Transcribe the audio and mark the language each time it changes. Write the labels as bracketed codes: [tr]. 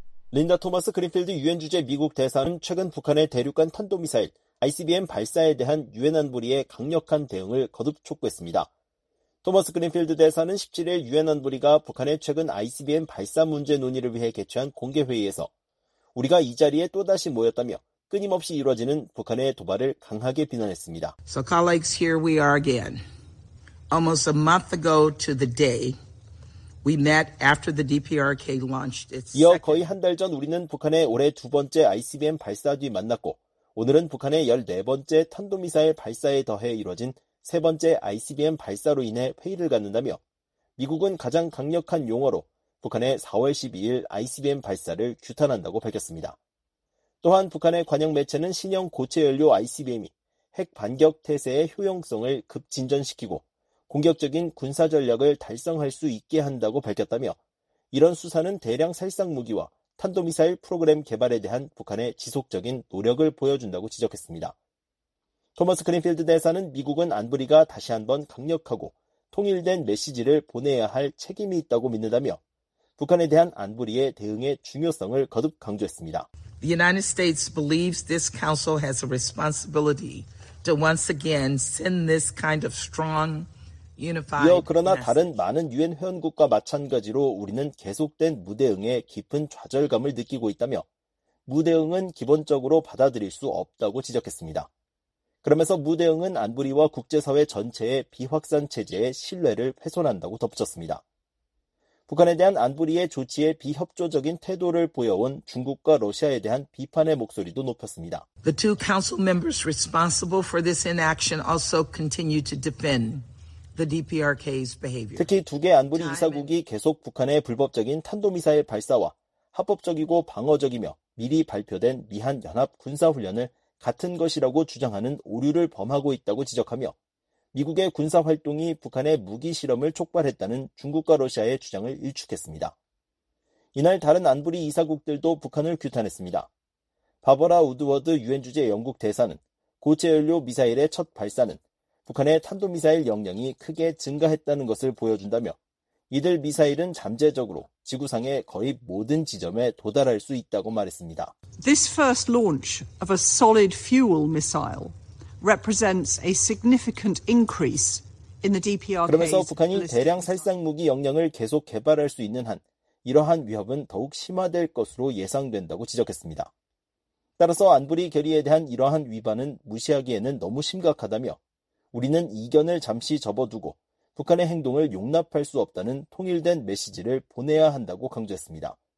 [ko] 린다 토마스 그린필드 유엔 주재 미국 대사는 최근 북한의 대륙간 탄도미사일 ICBM 발사에 대한 유엔 안보리의 강력한 대응을 거듭 촉구했습니다. 토마스 그린필드 대사는 17일 유엔 안보리가 북한의 최근 ICBM 발사 문제 논의를 위해 개최한 공개 회의에서 우리가 이 자리에 또다시 모였다며 끊임없이 이루어지는 북한의 도발을 강하게 비난했습니다. [en] So colleagues, here we are again. Almost a month ago to the day we met after the DPRK launched its second. [ko] 이어 거의 한 달 전 우리는 북한의 올해 두 번째 ICBM 발사 뒤 만났고 오늘은 북한의 14번째 탄도미사일 발사에 더해 이루어진 세 번째 ICBM 발사로 인해 회의를 갖는다며 미국은 가장 강력한 용어로 북한의 4월 12일 ICBM 발사를 규탄한다고 밝혔습니다. 또한 북한의 관영 매체는 신형 고체 연료 ICBM이 핵 반격 태세의 효용성을 급진전시키고 공격적인 군사 전략을 달성할 수 있게 한다고 밝혔다며 이런 수사는 대량 살상 무기와 탄도미사일 프로그램 개발에 대한 북한의 지속적인 노력을 보여준다고 지적했습니다. 토마스 그린필드 대사는 미국은 안보리가 다시 한번 강력하고 통일된 메시지를 보내야 할 책임이 있다고 믿는다며 북한에 대한 안보리의 대응의 중요성을 거듭 강조했습니다. [en] The United States believes this council has a responsibility to once again send this kind of strong, unified message. [ko] 이어 그러나 다른 많은 유엔 회원국과 마찬가지로 우리는 계속된 무대응에 깊은 좌절감을 느끼고 있다며 무대응은 기본적으로 받아들일 수 없다고 지적했습니다. 그러면서 무대응은 안보리와 국제사회 전체의 비확산 체제의 신뢰를 훼손한다고 덧붙였습니다. 북한에 대한 안보리의 조치에 비협조적인 태도를 보여온 중국과 러시아에 대한 비판의 목소리도 높였습니다. [en] The two council members responsible for this inaction also continue to defend the DPRK's behavior. [ko] 특히 두 개 안보리 이사국이 계속 북한의 불법적인 탄도미사일 발사와 합법적이고 방어적이며 미리 발표된 미한 연합 군사훈련을 같은 것이라고 주장하는 오류를 범하고 있다고 지적하며 미국의 군사 활동이 북한의 무기 실험을 촉발했다는 중국과 러시아의 주장을 일축했습니다. 이날 다른 안보리 이사국들도 북한을 규탄했습니다. 바버라 우드워드 유엔 주재 영국 대사는 고체 연료 미사일의 첫 발사는 북한의 탄도미사일 역량이 크게 증가했다는 것을 보여준다며 이들 미사일은 잠재적으로 지구상의 거의 모든 지점에 도달할 수 있다고 말했습니다. [en] This first launch of a solid fuel missile represents a significant increase in the DPRK. [ko] 그러면서 북한이 대량 살상 무기 역량을 계속 개발할 수 있는 한 이러한 위협은 더욱 심화될 것으로 예상된다고 지적했습니다. 따라서 안보리 결의에 대한 이러한 위반은 무시하기에는 너무 심각하다며 우리는 이견을 잠시 접어두고 북한의 행동을 용납할 수 없다는 통일된 메시지를 보내야 한다고 강조했습니다.